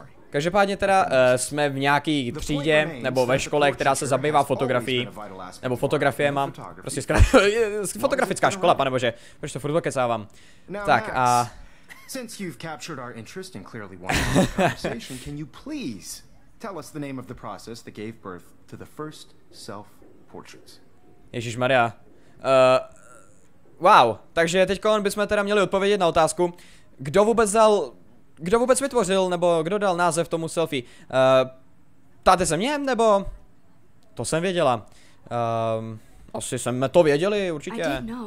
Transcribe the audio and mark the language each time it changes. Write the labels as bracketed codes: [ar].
[cs] Každopádně teda jsme v nějaký třídě, nebo ve škole, která se zabývá fotografií, nebo fotografie mám, prostě zkrátka, fotografická škola, panebože, proč to furt okecávám. Tak a... [en] Since you've captured our interest and clearly wanted a conversation, can you please... Tell us the name of the process that gave birth to the first self-portraits. [cs] Ježišmarja. Wow, takže teďkon bychom teda měli odpovědět na otázku, kdo vůbec dal, kdo vůbec vytvořil, nebo kdo dal název tomu selfie. Ptáte se mě, nebo... To jsem věděla. Asi jsme to věděli, určitě.